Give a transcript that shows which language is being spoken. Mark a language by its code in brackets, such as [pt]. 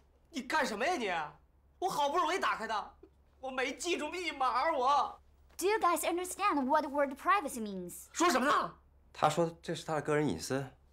[zh] 你干什么呀你？我好不容易打开的，我没记住密码，我。 [en] Do you guys understand what word privacy means？ [zh] 说什么呢？他说这是他的个人隐私。